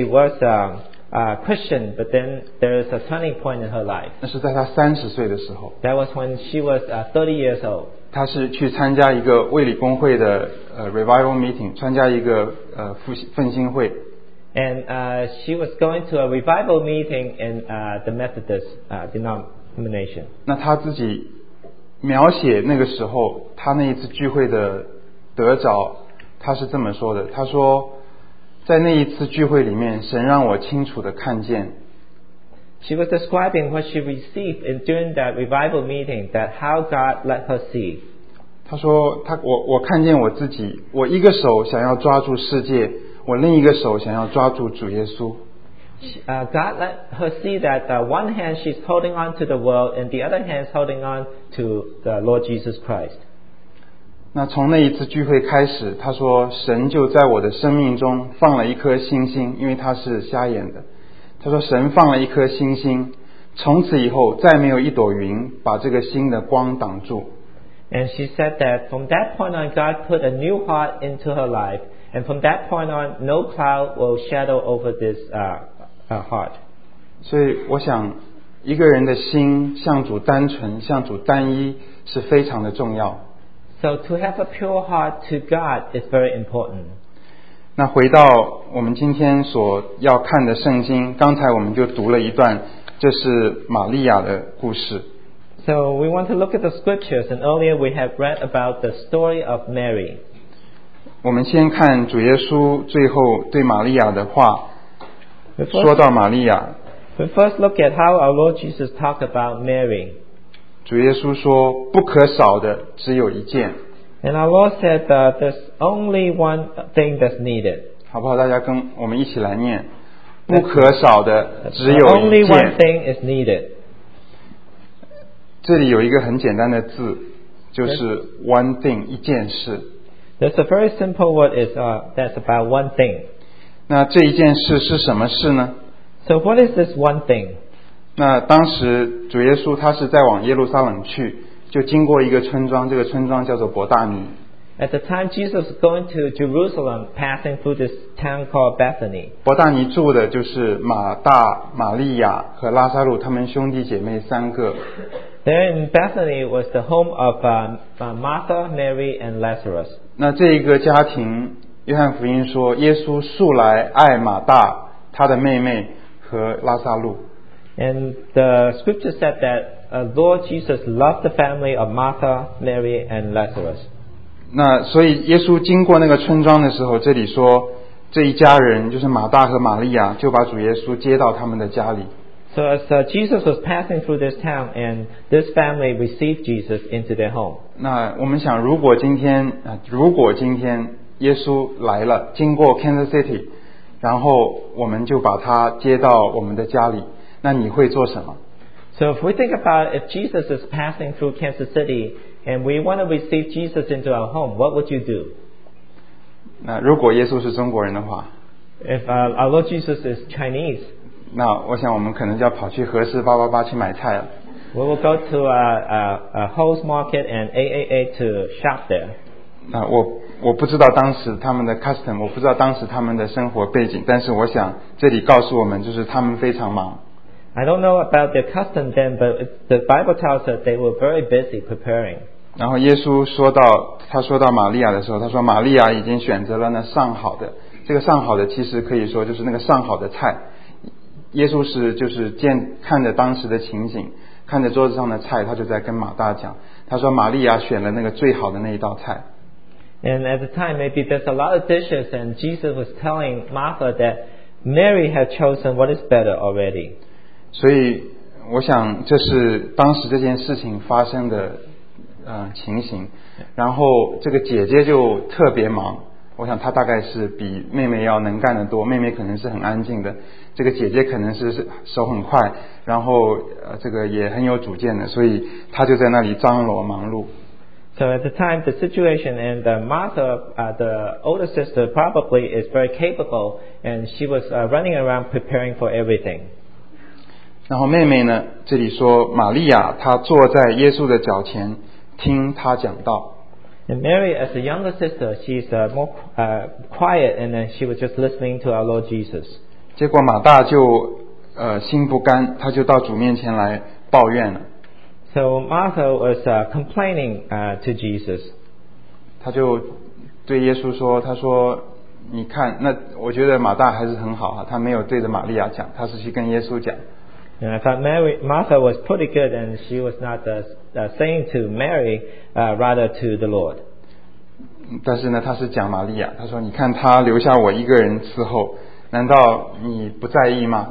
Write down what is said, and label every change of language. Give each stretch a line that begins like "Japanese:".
English: Fanny Crosby was a Christian, but then there is a turning point in her life.
Chinese: 那是在她30岁的时候。
English: That was when she was 30 years old.
Chinese: 她是去参加一个卫理公会的
English: revival meeting,
Chinese: 参加一个奉新会。
English: And she was going to a revival meeting in the Methodist denomination.
Chinese: 那她自己描写那个时候她那一次聚会的得着，她是这么说的：她说，在那一次聚会里面，神让我清楚地看见。
English: She was describing what she received in during that revival meeting, that how God let her see.
Chinese: 她说，我看见我自己，我一个手想要抓住世界。我另一个手想要抓住主耶稣。
English: God let her see that one hand she's holding on to the world, and the other hand's holding on to the Lord Jesus Christ.
Chinese: 那从那一次聚会开始，她说神就在我的生命中放了一颗星星，因为她是瞎眼的。她说神放了一颗星星，从此以后再没有一朵云把这个心的光挡住。
English: And she said that from that point on, God put a new heart into her life, and from that point on, no cloud will shadow over this heart.
Chinese: 所以我想，一个人的心向主单纯、向主单一是非常的重要。
English: So to have a pure heart to God is very important.
Chinese: 那回到我们今天所要看的圣经，刚才我们就读了一段，这是玛利亚的故事。
English: So we want to look at the scriptures, and earlier we have read about the story of Mary.
Chinese: 我们先看主耶稣最后对玛利亚的话，说到玛利亚。
English: We first look at how our Lord Jesus talked about Mary.
Chinese: 主耶稣说，不可少的只有一件。
English: And our Lord said that there's only one thing that's needed.
Chinese: 好不好？大家跟我们一起来念，不可少的只有一件。
English: Only one thing is needed.
Chinese: 这里有一个很简单的字，就是
English: one thing
Chinese: 一件事。
English: That's a very simple word. Is that's about one thing.
Chinese: 那这一件事是什么事呢
English: ？So what is this one thing?
Chinese: 那当时主耶稣他是在往耶路撒冷去，就经过一个村庄，这个村庄叫做伯大尼。
English: At the time Jesus was going to Jerusalem, passing through this town called Bethany.
Chinese: 伯大尼住的就是马大、玛利亚和拉撒路他们兄弟姐妹三个。
English: There in Bethany was the home of Martha, Mary, and Lazarus.
Chinese: 那这一个家庭，约翰福音说，耶稣素来爱马大，他的妹妹和拉撒路。
English: And the scripture said that Lord Jesus loved the family of Martha, Mary, and Lazarus.
Chinese: 那所以耶稣经过那个村庄的时候，这里说这一家人就是马大和玛利亚，就把主耶稣接到他们的家里。
English: So as Jesus was passing through this town, and this family received Jesus into their home.
Chinese: 那我们想，如果今天耶稣来了，经过 Kansas City, 然后我们就把他接到我们的家里，那你会做什么
English: ？So if we think about if Jesus is passing through Kansas City and we want to receive Jesus into our home, what would you do?
Chinese: 那如果耶稣是中国人的话
English: ，If our Lord Jesus is Chinese.
Chinese: 那我想我们可能就要跑去和氏888去买菜了。
English: We will go to a Hoes Market and AAA to shop there.
Chinese: 那我不知道当时他们的 custom, 我不知道当时他们的生活背景，但是我想这里告诉我们就是他们非常忙。
English: I don't know about their custom then, but the Bible tells us they were very busy preparing.
Chinese: 然后耶稣说到，他说到玛利亚的时候，他说玛利亚已经选择了那上好的，这个上好的其实可以说就是那个上好的菜。耶稣是就是见看着当时的情景，看着桌子上的菜，他就在跟马大讲，他说玛利亚选了那个最好的那一道菜。
English: And at the time, maybe there's a lot of dishes, and Jesus was telling Martha that Mary had chosen what is better already.
Chinese: 所以我想这是当时这件事情发生的情形，然后这个姐姐就特别忙。我想她大概是比妹妹要能干得多，妹妹可能是很安静的，这个姐姐可能是手很快，然后这个也很有主见的，所以她就在那里张罗忙碌。
English: So at the time, the situation and the mother, the older sister probably is very capable, and she was running around preparing for everything.
Chinese: 然后妹妹呢，这里说玛利亚，她坐在耶稣的脚前听他讲道。
English: And Mary, as a younger sister, she's more quiet, and then she was just listening to our Lord Jesus.
Chinese: 结果马大就心不甘，他就到主面前来抱怨了。
English: So Martha was complaining to Jesus.
Chinese: 他就对耶稣说：“他说，你看，那我觉得马大还是很好啊，他没有对着玛利亚讲，他是去跟耶稣讲。”
English: And I thought Martha was pretty good, and she was not the. Saying to Mary, rather to the Lord.
Chinese: 但是呢，他是讲玛利亚。他说：“你看，他留下我一个人伺候，难道你不在意吗？